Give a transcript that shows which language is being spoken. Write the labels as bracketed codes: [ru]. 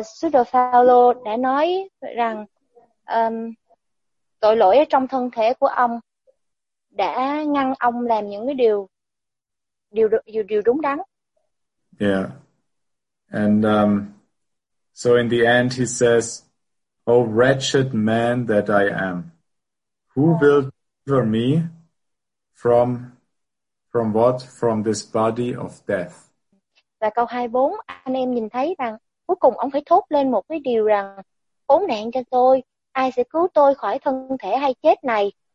[vi] Sư Phaolô đã nói rằng tội lỗi trong thân thể của ông đã ngăn ông làm những cái điều đúng đắn. Yeah. [en] And so in the end he says, "O wretched man that I am, who will deliver me from what? From this body of death." [vi] Và câu 24, anh em nhìn thấy rằng cuối cùng ông phải thốt lên một cái điều rằng khốn nạn cho tôi, ai sẽ cứu tôi khỏi thân thể hay chết này?